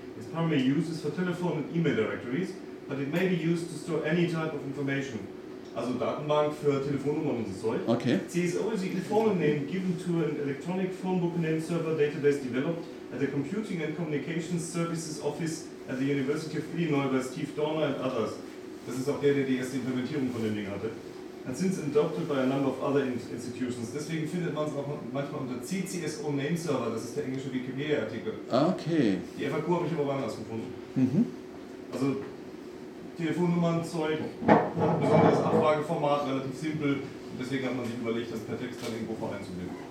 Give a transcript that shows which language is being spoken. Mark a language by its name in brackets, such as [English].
[English] Its primary use is for telephone and email directories. But it may be used to store any type of information. [German] Also Datenbank für Telefonnummern und so Zeug. Okay. [English] CSO is the informal name given to an electronic phone book name server database developed at the Computing and Communications Services Office at the University of Illinois by Steve Dorner and others. [German] Das ist auch der die erste Implementierung von dem Ding hatte. [English] And since adopted by a number of other institutions. [German] Deswegen findet man es auch manchmal unter CCSO name server. Das ist der englische Wikipedia-Artikel. Okay. Die FAQ habe ich aber woanders gefunden. Mhm. Also Telefonnummernzeug, besonders Abfrageformat, relativ simpel. Und deswegen hat man sich überlegt, das per Text dann irgendwo vor einzubinden.